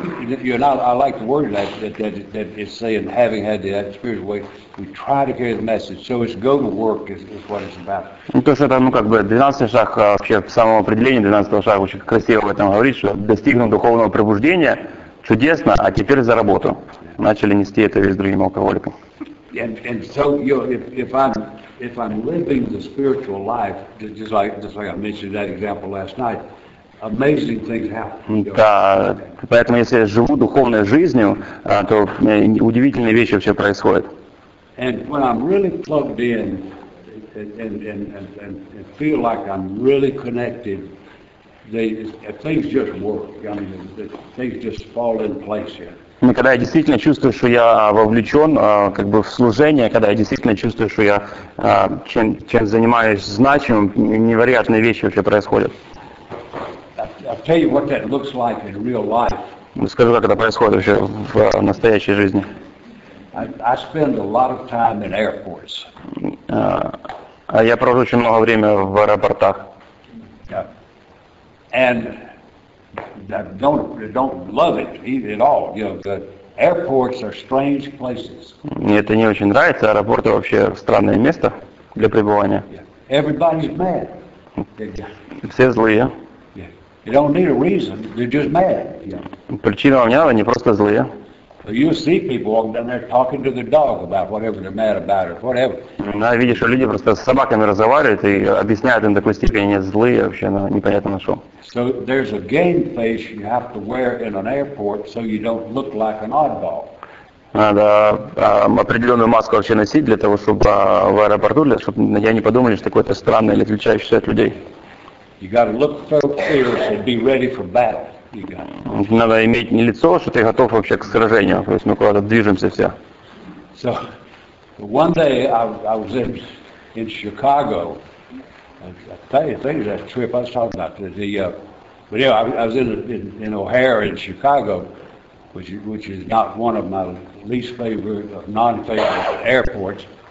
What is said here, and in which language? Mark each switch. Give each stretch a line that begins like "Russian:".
English: I like the word that is saying having had the spiritual way. We try to carry the message, so it's go to work is what it's about.
Russian: Ну то, что это, ну как бы, 12-й шаг, вообще в самом определении 12-го шага очень красиво об этом говорит, что достигнув духовного пробуждения, чудесно, а теперь за работу. Начали нести это весь другим алкоголикам.
English: And so, you know, if I'm living the spiritual life, just like I mentioned that example last night, amazing things happen.
Russian: Да, поэтому если я живу духовной жизнью, то удивительные вещи вообще происходят.
English: And when I'm really plugged in and feel like I'm really connected, things just work. I mean, things just fall in place here.
Russian: Ну, когда я действительно чувствую, что я вовлечен как бы в служение, когда я действительно чувствую, что я чем занимаюсь значимым, невероятные вещи вообще происходят.
English: I'll tell you what that looks like in real life.
Russian: Скажу, как это происходит вообще в настоящей жизни.
English: I spend a lot of time in airports.
Russian: Я провожу очень много времени в аэропортах.
English: And I don't love it either at all. You know, the airports are strange places.
Russian: Мне это не очень нравится. Аэропорты вообще странное место для пребывания.
English: Yeah. Everybody's mad.
Russian: Все злые.
English: Yeah. You don't need a reason. They're just mad. Yeah.
Russian: Причина вам не надо, они просто злые.
English: You see people walking down there talking to their dog about whatever they're mad about or whatever.
Russian: Да, видишь, люди просто с собаками разговаривают и объясняют им до такой степени, они злые вообще, непонятно на что.
English: So there's a game face you have to wear in an airport so you don't look like an oddball.
Russian: Надо определенную маску вообще носить для того, чтобы в аэропорту, чтобы я не подумали, что какой-то странный или отличающийся от людей.
English: You got to look fierce and be ready for battle.
Russian: Надо иметь не лицо, что ты готов вообще к сражению, то есть мы куда-то движемся все.
English: So, one day I was in Chicago. I think that trip I was talking about. I was in O'Hare in Chicago, which is not one of my least favorite or non-favorite airports.